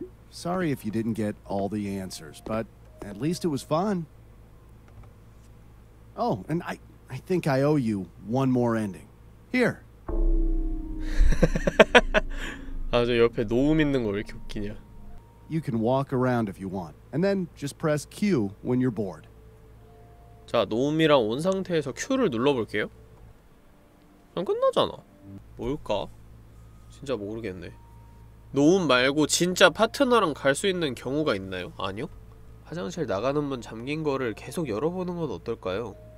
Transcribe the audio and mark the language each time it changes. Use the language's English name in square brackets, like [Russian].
[English] Sorry if you didn't get all the answers, but at least it was fun. Oh, and I think I owe you one more ending. Here. [Korean] 아, 저 옆에 놈 있는 거 왜 이렇게 웃기냐? [English] You can walk around if you want, and then just press Q when you're bored. [Korean] 자, 놈이랑 온 상태에서 Q를 눌러볼게요. 그냥 끝나잖아. 뭘까? 진짜 모르겠네. 노움 말고 진짜 파트너랑 갈 수 있는 경우가 있나요? 아니요? 화장실 나가는 문 잠긴 거를 계속 열어보는 건 어떨까요?